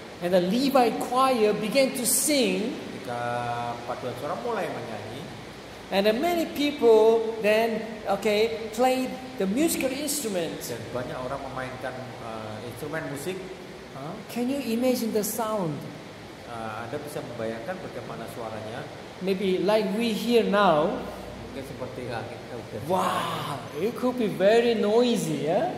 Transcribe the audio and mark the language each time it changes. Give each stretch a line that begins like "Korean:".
English: And the Levite choir began to sing.
Indonesian: Ketika paduan suara mulai menyanyi.
English: And the many people then, okay, played the musical instruments.
Indonesian: Dan banyak orang memainkan instrumen musik.
English: Can you imagine the sound?
Indonesian: Anda bisa membayangkan bagaimana suaranya?
English: Maybe like we hear now.
Indonesian: Mungkin seperti angin.
English: Wow, it could be very noisy, ya?